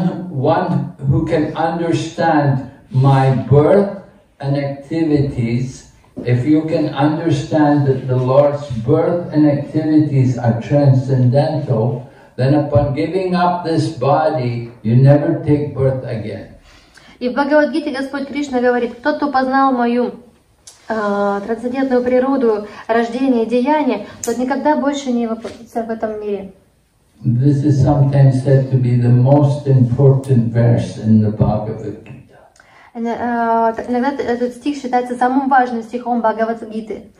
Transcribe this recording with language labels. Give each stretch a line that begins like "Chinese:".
English: One who can understand my birth and activities, if you can understand that the Lord's birth and activities are transcendental, then upon giving up this body, you never take birth again.
Russian: И в Бхагавад-гите Господь Кришна говорит, тот, кто познал мою трансцендентную природу, рождение, деяние, тот никогда больше не воплотится в этом мире.
English: This is sometimes said to be the most important verse in the Bhagavad-gita.
Russian: Иногда этот стих считается самым важным стихом Бхагавад-гиты.